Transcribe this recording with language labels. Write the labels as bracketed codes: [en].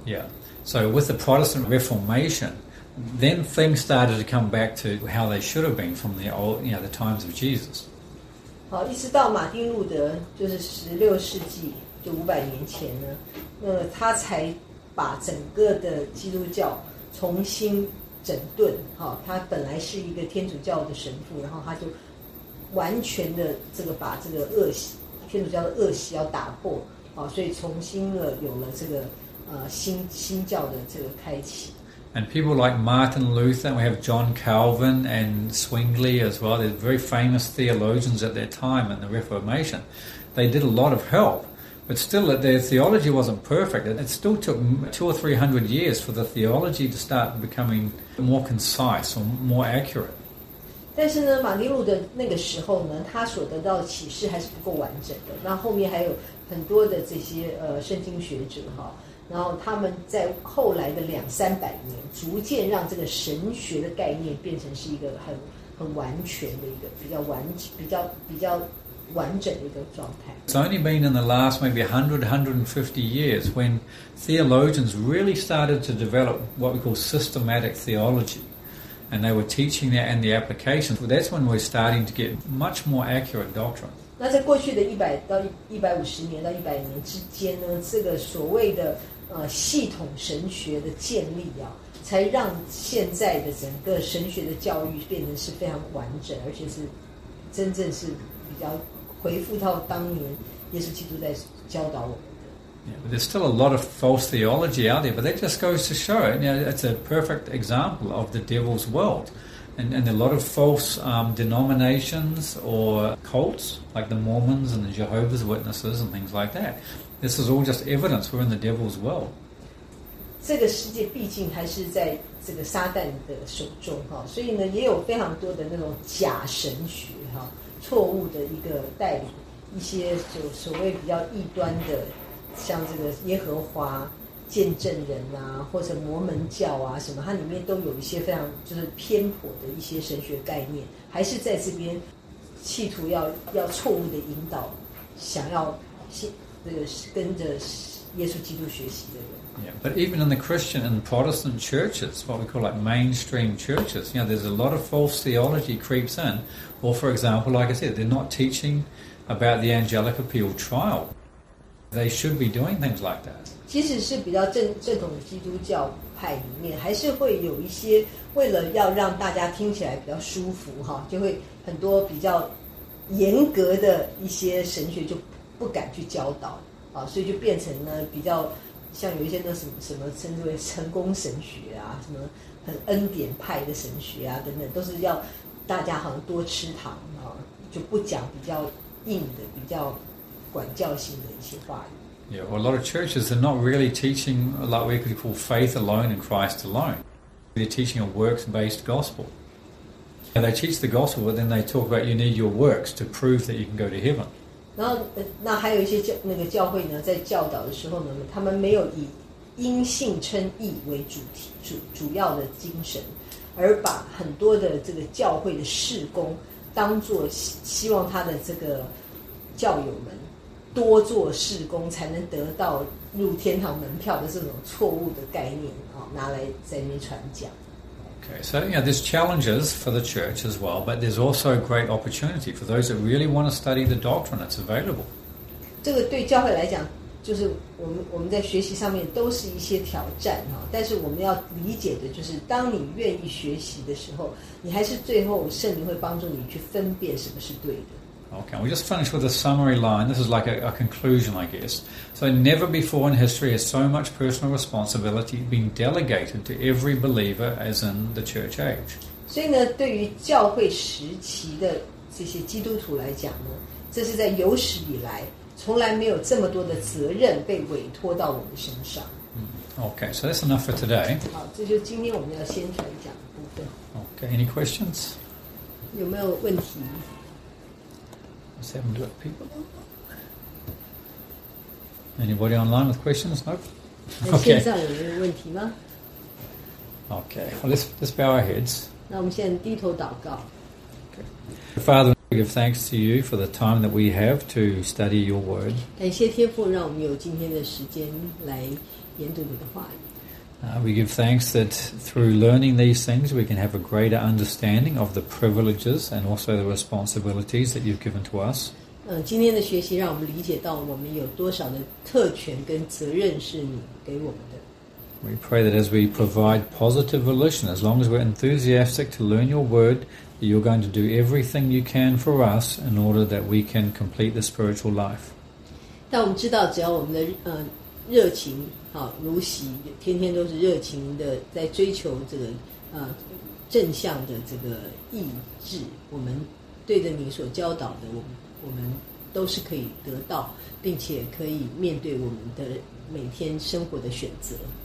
[en] Yeah, so with the Protestant Reformation,then things started to come back to how they should have been from the old, you know, the times of Jesus. [zh] 好，一直到马丁路德，就是16世纪，就500年前呢，他才把整个的基督教重新整顿。好，他本来是一个天主教的神父，然后他就完全的这个把这个恶习，天主教的恶习要打破。好，所以重新的有了这个新教的这个开启。 [en] And people like Martin Luther, we have John Calvin and Zwingli as well, they're very famous theologians at that time in the Reformation. They did a lot of help, but still their theology wasn't perfect. It still took 200 or 300 years for the theology to start becoming more concise or more accurate. [zh] 但是呢，马丁路德那个时候呢，他所得到的启示还是不够完整的。那后面还有很多的这些圣经学者哈。然后他们在后来的两三百年逐渐让这个神学的概念变成是一个 很完全的一个比较完整的一个状态。 [en] It's only been in the last maybe 100-150 years when theologians really started to develop what we call systematic theology, and they were teaching that and the application. That's when we're starting to get much more accurate doctrine. [zh] 那在过去的100到150年到100年之间呢，这个所谓的系统神学的建立啊，才让现在的整个神学的教育变成是非常完整，而且是真正是比较回复到当年耶稣基督在教导我们的。 [en] Yeah, but there's still a lot of false theology out there, but that just goes to show, you know, it's a perfect example of the devil's world, and a lot of false denominations or cults like the Mormons and the Jehovah's Witnesses and things like that. This is all just evidence we're in the devil's world. [zh] 这个世界毕竟还是在这个撒旦的手中，所以呢，也有非常多的那种假神学，错误的一个带领，一些就所谓比较异端的，像这个耶和华，见证人啊，或者摩门教啊什么，它里面都有一些非常就是偏颇的一些神学概念，还是在这边企图要错误的引导，想要跟着耶稣基督学习的人。 [en] Yeah, but even in the Christian and Protestant churches, what we call like mainstream churches, you know, there's a lot of false theology creeps in. Or, for example, like I said, they're not teaching about the angelic appeal trial. They should be doing things like that. [zh] 即使是比较正统的基督教派里面，还是会有一些为了要让大家听起来比较舒服，就会很多比较严格的一些神学就不敢去教导，所以就变成了比较像有一些那什么称之为成功神学啊，什么很恩典派的神学啊等等，都是要大家好像多吃糖啊，就不讲比较硬的、比较管教性的一些话语。 [en] Yeah, well, a lot of churches are not really teaching like we could call faith alone and Christ alone. They're teaching a works-based gospel. And they teach the gospel, but then they talk about you need your works to prove that you can go to heaven. [zh] 然后那还有一些教会呢，在教导的时候呢，他们没有以因信称义为主要的精神，而把很多的这个教会的事工当作希望他的这个教友们多做事工才能得到入天堂门票的这种错误的概念，拿来在那边传讲。 [en] Okay, so yeah, there's challenges for the church as well, but there's also a great opportunity for those that really want to study the doctrine that's available. [zh] 这个对教会来讲，就是我们在学习上面都是一些挑战，但是我们要理解的就是，当你愿意学习的时候，你还是最后圣灵会帮助你去分辨什么是对的。 [en] Okay, we'll just finish with a summary line. This is like a conclusion, I guess. So never before in history has so much personal responsibility been delegated to every believer as in the church age. [zh] 所以呢，对于教会时期的这些基督徒来讲呢，这是在有史以来从来没有这么多的责任被委托到我们身上。 [en] Okay, so that's enough for today. [zh] 好，这就是今天我们要先传讲的部分。 [en] Okay, any questions? [zh] 有没有问题？ [en] Let's have them do it, people. Anybody online with questions? Nope. Okay. Okay. Well, let's bow our heads. Okay. Father, we give thanks to you for the time that we have to study your word. We give thanks that through learning these things, we can have a greater understanding of the privileges and also the responsibilities that you've given to us. [zh] 今天的学习让我们理解到我们有多少的特权跟责任是你给我们的。 [en] We pray that as we provide positive volition, as long as we're enthusiastic to learn your word, that you're going to do everything you can for us in order that we can complete the spiritual life. [zh] 但我们知道只要我们的热情好如洗，天天都是热情的在追求这个正向的这个意志，我们对着你所教导的，我们都是可以得到，并且可以面对我们的每天生活的选择。